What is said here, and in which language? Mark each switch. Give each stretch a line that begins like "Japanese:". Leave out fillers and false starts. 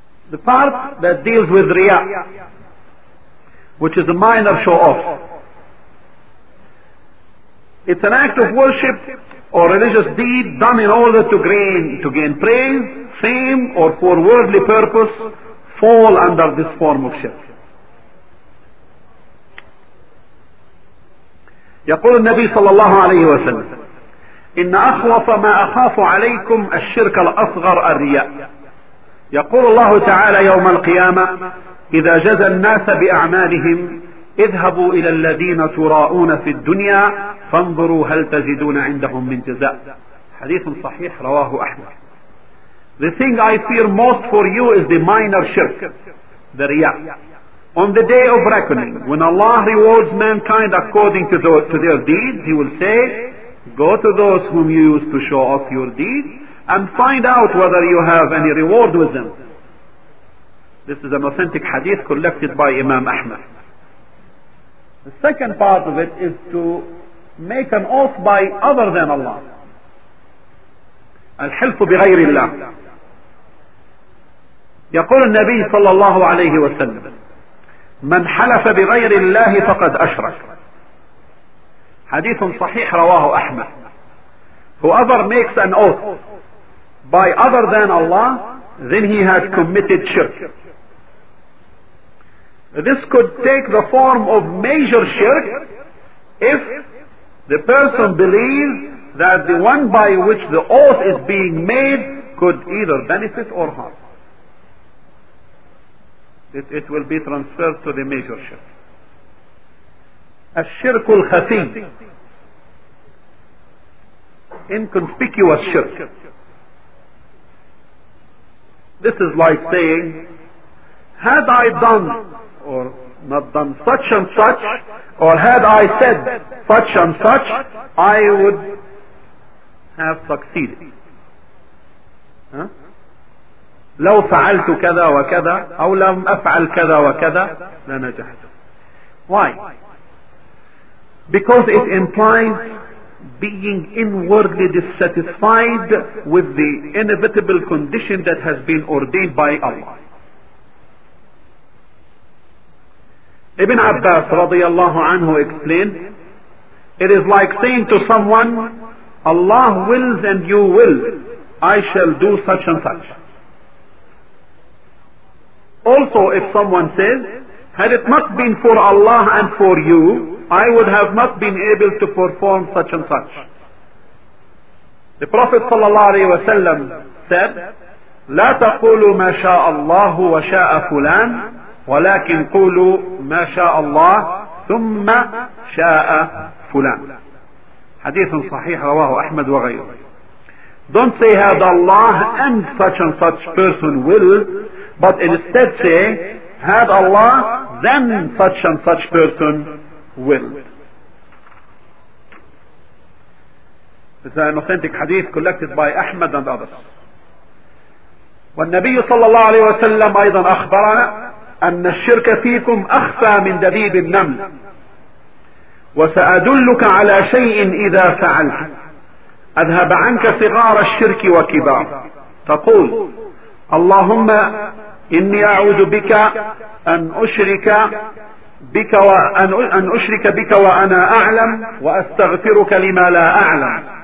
English: The part that deals with riya, which is a minor show-off, it's an act of worship or religious deed done in order to gain praise, fame, or for worldly purpose, fall under this form of shirk.
Arabic: يقول النبي صلى الله عليه وسلم إن أخوف ما أخاف عليكم الشرك الأصغر الرياء. يقول الله تعالى يوم القيامة إذا جزى الناس بأعمالهم اذهبوا إلى الذين تراءون في الدنيا فانظروا هل تجدون عندهم من جزاء. حديث صحيح رواه أحمد.
English: The thing I fear most for you is the minor shirk, the riya. On the day of reckoning, when Allah rewards mankind according to their deeds, He will say, go to those whom you used to show off your deeds and find out whether you have any reward with them. This is an authentic hadith collected by Imam Ahmad. The second part of it is to make an oath by other than Allah.
Arabic: الحلف بغير الله. يقول النبي صلى الله عليه وسلم من حلف بغير الله فقد أشرك. حديث صحيح رواه أحمد.
English: Whoever makes an oath by other than Allah, then he has committed shirk. This could take the form of major shirk if the person believes that the one by which the oath is being made could either benefit or harm. It will be transferred to the major shirk.
Arabic: الشرك الخفي,
English: inconspicuous shirk. This is like saying, had I done or not done such and such, or had I said such and such, I would have succeeded.
Arabic: لو فعلت كذا وكذا أو لم أفعل كذا وكذا لنجحت.
English: Why? Because it implies being inwardly dissatisfied with the inevitable condition that has been ordained by Allah. Ibn Abbas radiallahu anhu explained, it is like saying to someone, Allah wills and you will, I shall do such and such. Also, if someone says, had it not been for Allah and for you, I would have not been able to perform such and such. The Prophet sallallahu alayhi wa sallam said,
Arabic: لا تقولوا ما شاء الله وشاء فلان ولكن قولوا ما شاء الله ثم شاء فلان. حديث صحيح رواه أحمد وغيره.
English: Don't say had Allah and such and such person will, but instead say had Allah then such and such person will. This is an authentic hadith collected by Ahmad and others.
Arabic: والنبي صلى الله عليه وسلم أيضا أخبر أن الشرك فيكم أخفى من دبيب النمل وسأدلك على شيء إذا فعلت أذهب عنك صغار الشرك وكبار. تقول: اللهم إني أعوذ بك أن أشرك بك وأن أشرك بك وأنا أعلم، وأستغفرك لما لا أعلم.